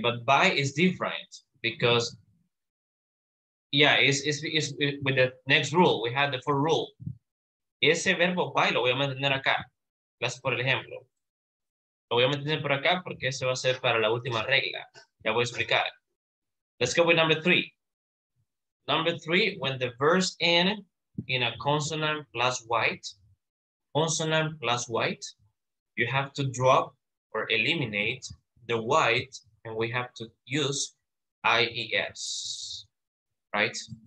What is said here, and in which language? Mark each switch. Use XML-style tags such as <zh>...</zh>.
<en>But buy is different because, yeah, it's with the next rule. We have the fourth rule.</en> <es>Ese verbo buy lo voy a mantener acá. Gracias por el ejemplo. Lo voy a mantener por acá porque ese va a ser para la última regla. Ya voy a explicar.</es> <en>Let's go with number three. Number three, when the verb ends in a consonant plus white, you have to drop or eliminate the white and we have to use IES, right?</en>